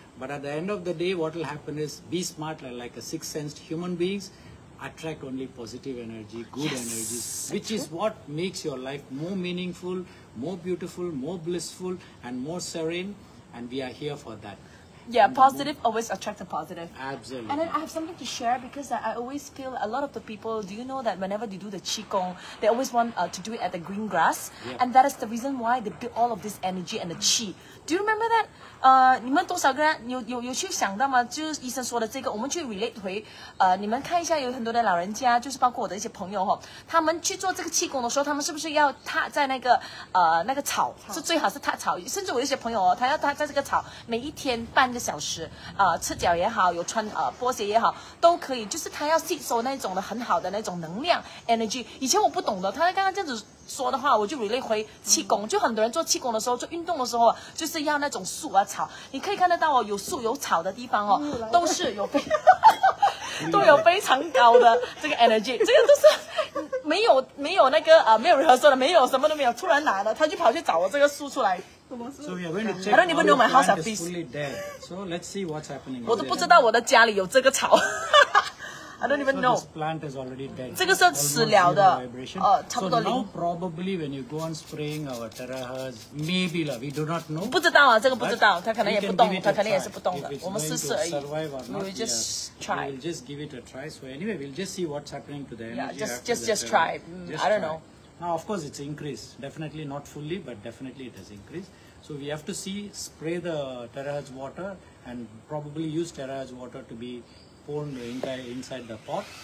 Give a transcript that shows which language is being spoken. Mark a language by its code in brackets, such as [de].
[en] But at the end of the day, what will happen is, be smart like a sixth-sensed human beings, attract only positive energy, good energies, which is what makes your life more meaningful, more beautiful, more blissful, and more serene. And we are here for that. Yeah, and positive always attracts a positive. Absolutely. And then I have something to share, because I always feel a lot of the people, do you know that whenever they do the Qigong, they always want to do it at the green grass. Yep. And that is the reason why they build all of this energy and the Qi. Do you remember that? [zh] 你们多少个人有去想到吗？就是医生说的这个，我们去 relate 回，你们看一下，有很多的老人家，就是包括我的一些朋友哈，他们去做这个气功的时候，他们是不是要踏在那个那个草，是最好是踏草，甚至我有一些朋友哦，他要踏在这个草，每一天半个小时，赤脚也好，有穿波鞋也好，都可以，就是他要吸收那种的很好的那种能量 energy。以前我不懂的，他刚刚这样子说的话，我就 relate 回气功，就很多人做气功的时候，做运动的时候，就是要那种树啊草，你可以看得到哦，有树有草的地方哦，都是有非都有非常高的这个 energy， 这个都是没有那个没有 rehearsal 的，没有什么都没有，突然拿的，他就跑去找了这个树出来。 [en] So we are going to check. I don't even know my house at least. Fully dead. So let's see what's happening. [zh] 我都不知道我的家里有这个草。 [en] I don't even know. This plant is already dead. [zh] 这个是死了的。差不多零。 [en] So now probably when you go on spraying our terahertz, maybe lah, we do not know. [zh] 不知道啊，这个不知道，它可能也不动，它可能也是不动的。我们试试而已。 [en] We will just try. We'll just give it a try. So anyway, we'll just see what's happening to the energy. Yeah, just try. I don't know. Now of course it's increased. Definitely not fully, but definitely it has increased. So we have to see, spray the terahertz water and probably use terahertz water to be inside the pot.